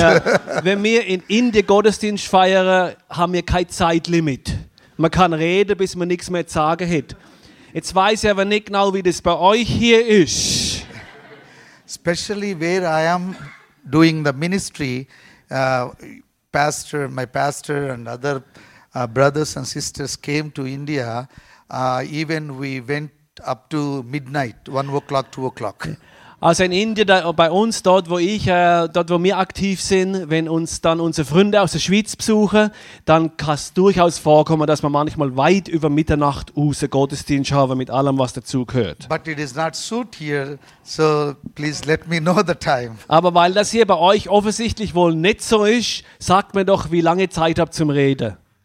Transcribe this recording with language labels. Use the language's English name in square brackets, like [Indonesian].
[German] Ja, ja. Wenn wir in Indien Gottesdienst feiern, haben wir kein Zeitlimit. Man kann reden, bis man nichts mehr zu sagen hat. Jetzt weiß ich aber nicht genau, wie das bei euch hier ist. [English] Especially where I am doing the ministry, pastor, my pastor and other brothers and sisters came to India. Even we went up to midnight, 1 o'clock, 2 o'clock. [German] Also in Indien, da, bei uns dort, wo ich, dort, wo wir aktiv sind, wenn uns dann unsere Freunde aus der Schweiz besuchen, dann kann es durchaus vorkommen, dass wir manchmal weit über Mitternacht raus Gottesdienst haben mit allem, was dazugehört. [English] But it is not suit here, so please let me know the time. [German] Aber weil das hier bei euch offensichtlich wohl nicht so ist, sagt mir doch, wie lange Zeit habt zum Reden.